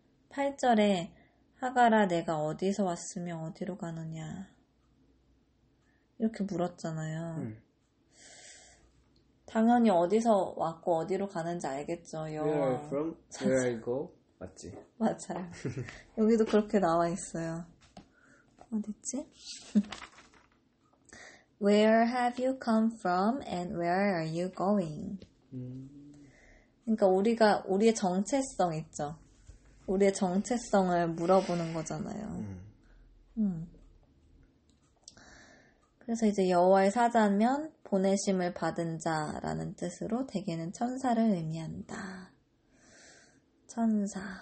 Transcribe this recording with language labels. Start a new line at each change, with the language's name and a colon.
Korean: 8절에 하가라, 내가 어디서 왔으며 어디로 가느냐 이렇게 물었잖아요. 당연히 어디서 왔고 어디로 가는지 알겠죠.
English: Where are you
Korean: 여호와
English: from?
Korean: 사자.
English: Where I go?
Korean: 맞지? 맞아요. 여기도 그렇게 나와 있어요. 어딨지?
English: Where have you come from and where are you going?
Korean: 그러니까 우리가 우리의 정체성 있죠. 우리의 정체성을 물어보는 거잖아요. 그래서 이제 여호와의 사자면 보내심을 받은 자라는 뜻으로 대개는 천사를 의미한다. 천사.